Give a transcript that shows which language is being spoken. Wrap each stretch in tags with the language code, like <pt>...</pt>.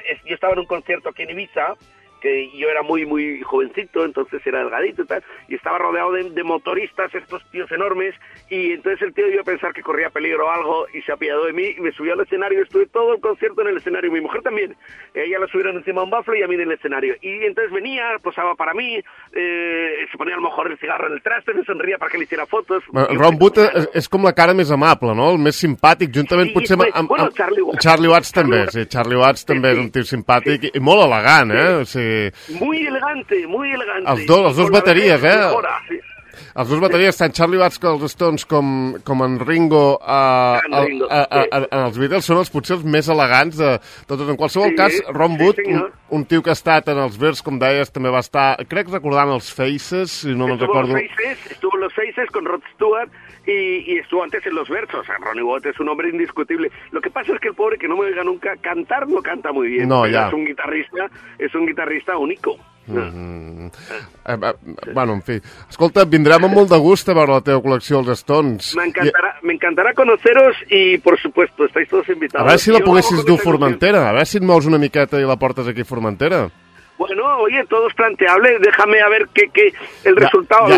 <es>Yo estaba en un concierto aquí en Ibiza, que yo era muy, muy jovencito, entonces era delgadito y tal, y estaba rodeado de motoristas, estos tíos enormes, y entonces el tío iba a pensar que corría peligro o algo, y se apiadó de mí, y me subió al escenario, estuve todo el concierto en el escenario, mi mujer también, ella la subieron encima de un bafle y a mí en el escenario, y entonces venía, posaba para mí, se ponía a lo mejor el cigarro en el traste, me sonría para que le hiciera fotos.</es> <ca>Ron Wood és com la cara més amable, no? El més simpàtic, juntament sí, potser amb Charlie Watts. Charlie Watts també, sí. Charlie Watts també és un tio simpàtic i molt elegant, eh? O sigui,</ca> <es>muy elegante, muy elegante.</es> <ca>Els dos bateries, eh? Els dos bateries, tant Charlie Watts com els Stones com en Ringo, els Beatles són els potser els més elegants de tots. En qualsevol cas, Ron Wood, un tio que ha estat en els Birds, com deies, també va estar, crec, recordant els Faces, si no me'n recordo.</ca> <es>Estuvo en los Faces con Rod Stewart y estuvo antes en los Birds. O sea, Ronnie Wood es un hombre indiscutible. Lo que pasa es que el pobre, que no me oiga nunca, cantar no canta muy bien. No, ya. Es un guitarrista único. Mm-hmm.</es> <ca>Bueno, en fi, escolta, vindrem amb molt de gust a veure la teva col·lecció als Stones. M'encantarà</ca> <es>conoceros y por supuesto, estáis todos invitados.</es> <ca>A veure si la poguessis dur a Formentera, a veure si et mous una miqueta i la portes aquí a Formentera.</ca> <es>Bueno, oye, todo es planteable, déjame a ver qué el resultado.</es>